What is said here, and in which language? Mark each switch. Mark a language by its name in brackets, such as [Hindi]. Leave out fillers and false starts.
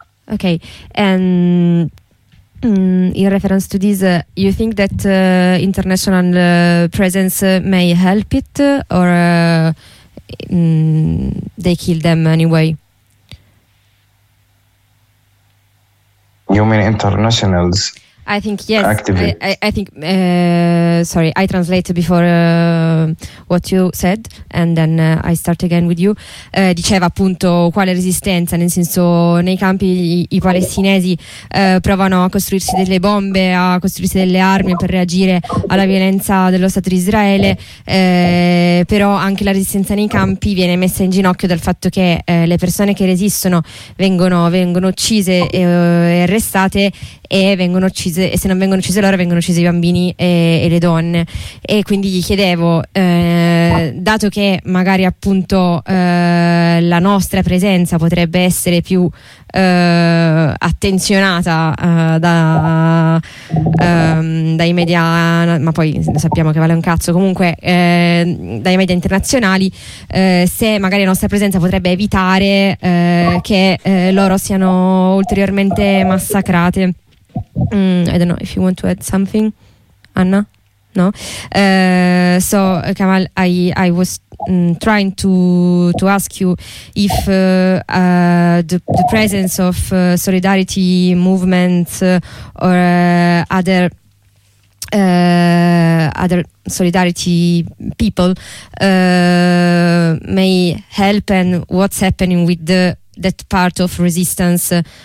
[English] Okay, and in reference to this, you think that international presence may help it, or they kill them anyway? You mean internationals? I think yes. I translated before what you said, and then I start again with you. [Italian] Diceva appunto quale resistenza, nel senso nei campi i palestinesi provano a costruirsi delle bombe, a costruirsi delle armi per reagire alla violenza dello Stato di Israele, però anche la resistenza nei campi viene messa in ginocchio dal fatto che le persone che resistono vengono uccise e arrestate, e vengono uccise, e se non vengono uccise loro vengono uccise i bambini e le donne. E quindi gli chiedevo, dato che magari appunto la nostra presenza potrebbe essere più attenzionata dai media, ma poi sappiamo che vale un cazzo comunque, dai media internazionali, se magari la nostra presenza potrebbe evitare che loro siano ulteriormente massacrate. [English] I don't know if you want to add something, Anna. No. So Kamal, I was trying to ask you if the presence of solidarity movements or other solidarity people may help, and what's happening with that part of resistance.